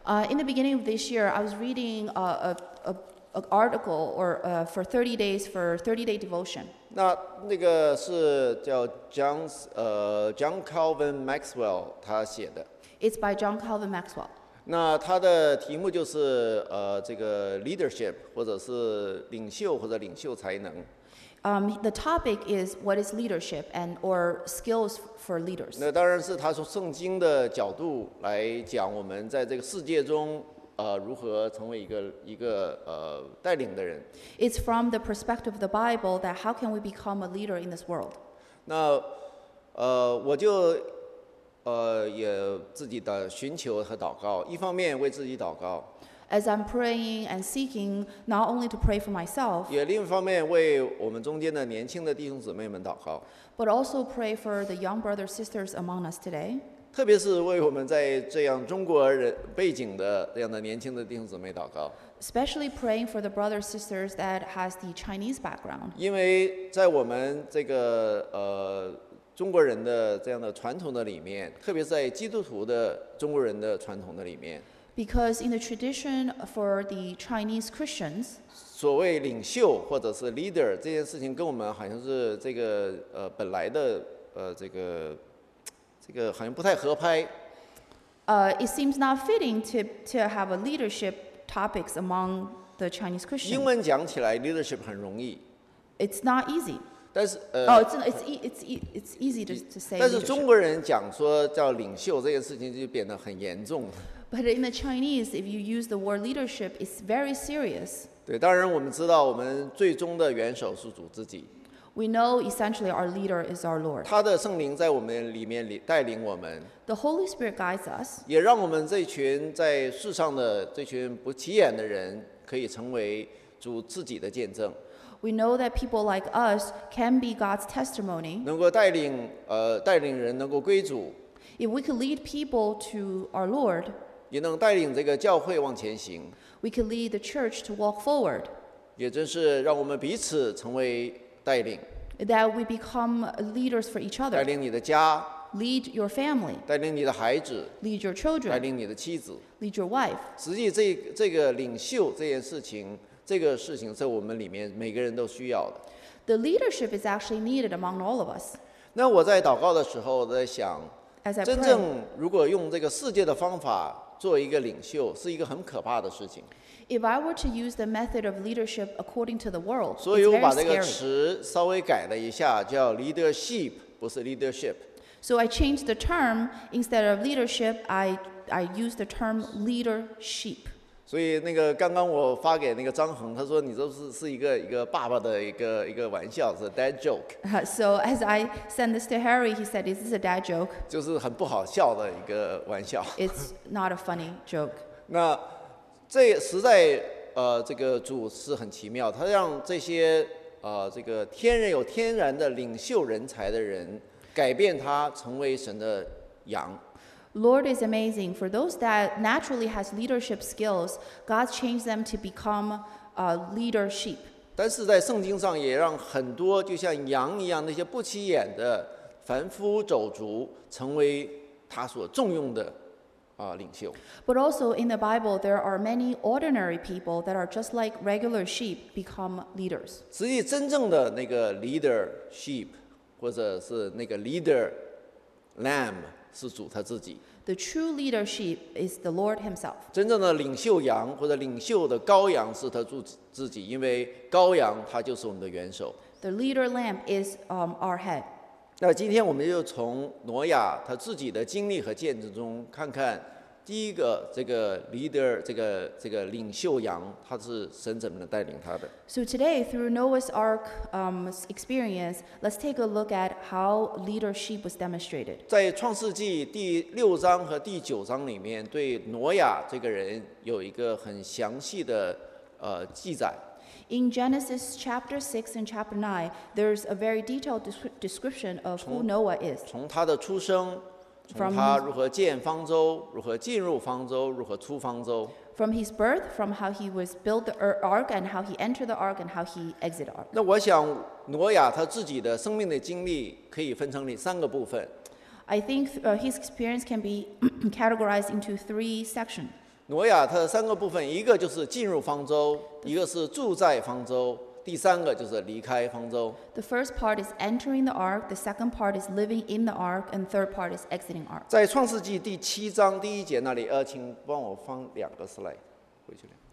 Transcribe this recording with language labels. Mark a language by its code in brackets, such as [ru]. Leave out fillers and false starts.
[en] In the beginning of this year, I was reading an article for 30 days for 30-day devotion. [zh] 那个是叫 John Calvin Maxwell 他写的。 [en] It's by John Calvin Maxwell. [zh] 那他的题目就是这个 leadership 或者是领袖或者领袖才能。 [en] The topic is what is leadership and or skills for leaders. [zh] 那当然是他从圣经的角度来讲我们在这个世界中如何成为一个带领的人。 [en] It's from the perspective of the Bible that how can we become a leader in this world? [zh] 那我就也自己的寻求和祷告，一方面为自己祷告。 [en] As I'm praying and seeking, not only to pray for myself, [zh] 也另一方面为我们中间的年轻的弟兄姊妹们祷告。 [en] But also pray for the young brothers sisters among us today. [zh] 特别是为我们在这样中国人背景的这样的年轻的弟兄姊妹祷告。 [en] Especially praying for the brothers sisters that has the Chinese background. [zh] 因为在我们这个中国人的这样的传统的里面，特别在基督徒的中国人的传统的里面。 [en] Because in the tradition for the Chinese Christians, [zh] 所谓领袖或者是 leader 这件事情跟我们好像是这个本来的这个好像不太合拍。 [en] It seems not fitting to have a leadership topics among the Chinese Christians. [zh] 英文讲起来 leadership 很容易。 [en] It's not easy. [zh] 但是 [en] It's easy to say. [zh] 但是中国人讲说叫领袖这件事情就变得很严重。 [en] But in the Chinese, if you use the word leadership, it's very serious. [zh] 对，当然我们知道我们最终的元首是主自己。 [en] We know essentially our leader is our Lord. [zh] 他的圣灵在我们里面带领我们。 [en] The Holy Spirit guides us. [zh] 也让我们这群在世上的这群不起眼的人可以成为主自己的见证。 [en] We know that people like us can be God's testimony. [zh] 能够带领人能够归主。 [en] If we could lead people to our Lord, [zh] 也能带领这个教会往前行。 [en] We could lead the church to walk forward. [zh] 也真是让我们彼此成为带领。 [en] That we become leaders for each other. [zh] 带领你的家。 [en] Lead your family. [zh] 带领你的孩子。 [en] Lead your children. [zh] 带领你的妻子。 [en] Lead your wife. [zh] 实际这个领袖这件事情。这个事情在我们里面每个人都需要的。 [en] The leadership is actually needed among all of us. [zh] 那我在祷告的时候在想，真正如果用这个世界的方法做一个领袖，是一个很可怕的事情。 [en] If I were to use the method of leadership according to the world, it's very scary. [zh] 所以我把这个词稍微改了一下，叫 leadership, 不是 leadership。 [en] So I changed the term, instead of leadership, I used the term leadership. [zh] 所以那个刚刚我发给那个张恒，他说你这是一个爸爸的一个玩笑，是 dad joke。 [en] So as I send this to Harry, he said, "Is this a dad joke?" [zh] 就是很不好笑的一个玩笑。 [en] It's not a funny joke. [zh] 那这实在这个主是很奇妙，他让这些这个天然有天然的领袖人才的人，改变他成为神的羊。 [en] Lord is amazing. For those that naturally has leadership skills, God changed them to become a leader sheep. [zh] 但是在圣经上也让很多就像羊一样那些不起眼的凡夫走卒成为他所重用的领袖。 [en] But also in the Bible, there are many ordinary people that are just like regular sheep become leaders. [zh] 实际真正的那个 leader sheep, 或者是那个 leader lamb,是主他自己。 [en] The true leadership is the Lord Himself. [zh] 真正的领袖羊或者领袖的羔羊是他自己，因为羔羊他就是我们的元首。 [en] The leader lamb is our head. [zh] 那今天我们就从挪亚他自己的经历和见证中看看，第一个这个 leader 这个领袖羊，他是神怎么能带领他的 [en] ？So today through Noah's Ark experience, let's take a look at how leadership was demonstrated. [zh] 在创世纪第六章和第九章里面，对挪亚这个人有一个很详细的记载。 [en] In Genesis chapter 6 and chapter 9, there's a very detailed description of who Noah is. [zh] 从他的出生。从他如何建方舟，如何进入方舟，如何出方舟。 [en] From his birth, from how he was built the ark, and how he entered the ark, and how he exited the ark. [zh] 那我想，挪亚他自己的生命的经历可以分成三个部分。 [en] I think his experience can be categorized into three sections. [zh] 挪亚他的三个部分，一个就是进入方舟，一个是住在方舟。第三个就是离开方舟。 [en] The first part is entering the ark, the second part is living in the ark, and the third part is exiting ark. [zh] 在创世纪第七章第一节那里，请帮我放两个 slide 回去。